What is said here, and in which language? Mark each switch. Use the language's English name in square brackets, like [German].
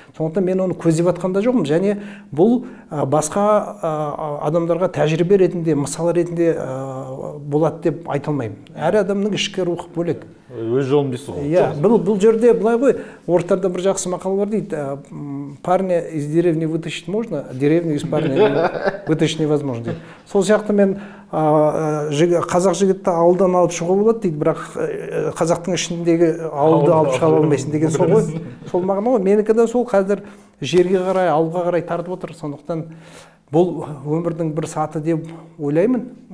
[Kazakh] Сондықтан мен оны көздеп атқан да жоқпын және бұл басқа адамдарға тәжірибе ретінде, мысал ретінде болады деп айта алмаймын. Әр адамның ішкі рухы бөлек. Өз жолым дейсіз ғой. Бұл жерде былай ғой, орыстарда бір жақсы мақал бар дейді. [Russian] Парня из деревни вытащить можно, деревню из парня вытащить невозможно. [Kazakh] Сол сияқты мен қазақ жігітті ауылдан алып шығу болады дейді, бірақ қазақтың ішіндегі ауылды алып шыға алмайсың деген сол ғой. Сол мағына ғой, менікі де сол қазір жерге қарай, ауылға қарай тартып отыр. Сондықтан бұл өмірдің бір саты деп ойлаймын.